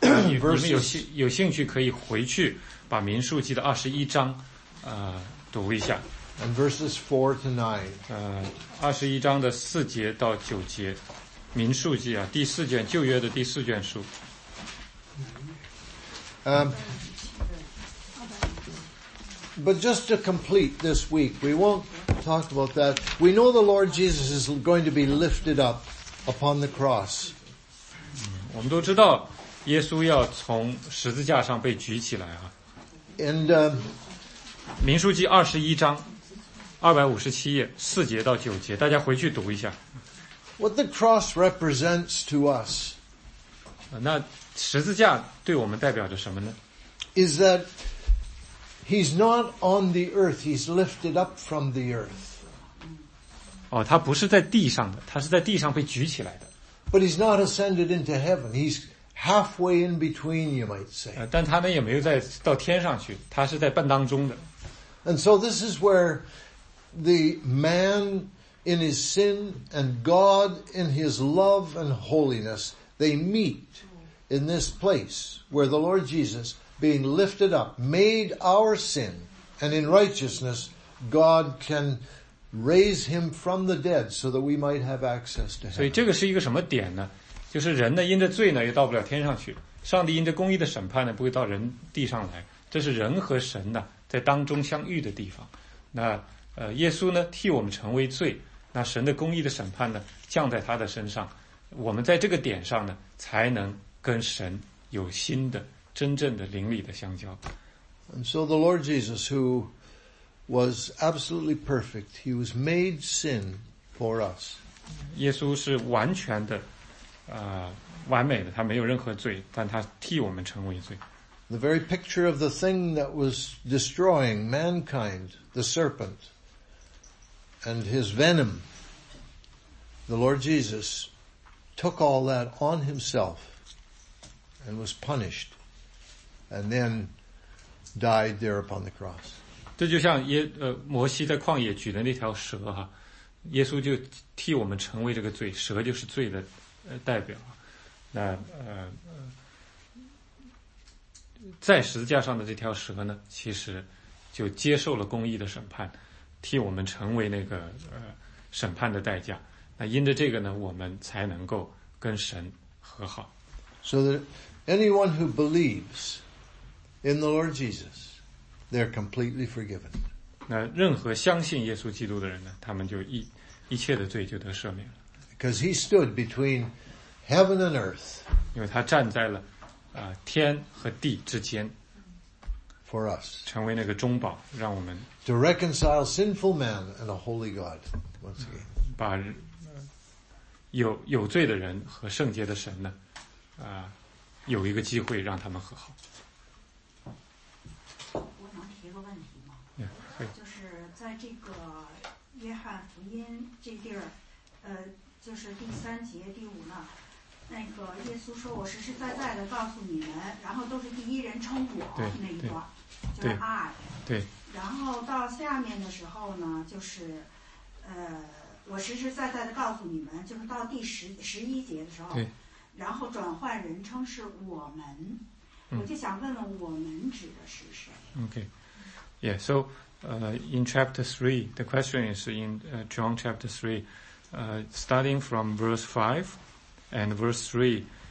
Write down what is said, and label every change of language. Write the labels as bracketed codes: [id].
[zh] 你们有兴趣可以回去把民数记的21章读一下。 [en] And verses 4 to 9. [zh] 21章的4节到9节。民数记啊，第四卷，旧约的第四卷书。 [en] But just to complete this week, we won't talk about that. We know the Lord Jesus is going to be lifted up. Upon the cross. [zh] 我们都知道耶稣要从十字架上被举起来啊。 [en] And, [zh] 民数记21章257页4节到9节大家回去读一下。 [en] What the cross represents to us. [zh] 那十字架对我们代表着什么呢 [en] ?Is that he's not on the earth, he's lifted up from the earth. [zh] 哦，他不是在地上的，他是在地上被举起来的。 [en] But he's not ascended into heaven. He's halfway in between, you might say. [zh] 但他们也没有在到天上去，他是在半当中的。 [en] And so this is where the man in his sin and God in his love and holiness they meet in this place where the Lord Jesus, being lifted up, made our sin, and in righteousness, God can. Raise him from the dead so that we might have access to him. [zh] 所以这个是一个什么点呢？就是人呢，因着罪呢，又到不了天上去；上帝因着公义的审判呢，不会到人地上来。这是人和神呢，在当中相遇的地方。那耶稣呢，替我们成为罪；那神的公义的审判呢，降在他的身上。我们在这个点上呢，才能跟神有新的、真正的灵里的相交。 [en] And so the Lord Jesus who was absolutely perfect. He was made sin for us. [zh] 耶稣是完全的，完美的。他没有任何罪，但他替我们成为罪。 [en] The very picture of the thing that was destroying mankind, the serpent, and his venom, the Lord Jesus took all that on himself and was punished and then died there upon the cross. [zh] 这就像耶摩西在旷野举的那条蛇哈，耶稣就替我们成为这个罪，蛇就是罪的代表。那在十字架上的这条蛇呢，其实就接受了公义的审判，替我们成为那个审判的代价。那因着这个呢，我们才能够跟神和好。 [en] So that anyone who believes in the Lord Jesus, they're completely forgiven. [zh] 那任何相信耶稣基督的人呢，他们就一切的罪就得赦免了。 [en] Because he stood between heaven and earth. [zh] 因为他站在了天和地之间。 [en] For us. [zh] 成为那个中保，让我们。 [en] To reconcile sinful man and a holy God once again. [zh] 把有罪的人和圣洁的神呢，有一个机会让他们和好。我想提个问题吗？ [en] Yeah, [zh] 就是在这个约翰福音这地儿，就是第三节第五呢，那个耶稣说：“我实实在在的告诉你们。” 然后都是第一人称我那一段，就是 I。对。然后到下面的时候呢，就是我实实在在的告诉你们，就是到第十一节的时候，对，然后转换人称是我们，我就想问问我们指的是谁 [en] ？Okay, yeah. So, in chapter 3, the question is in John chapter 3, starting from verse 5 and verse 3.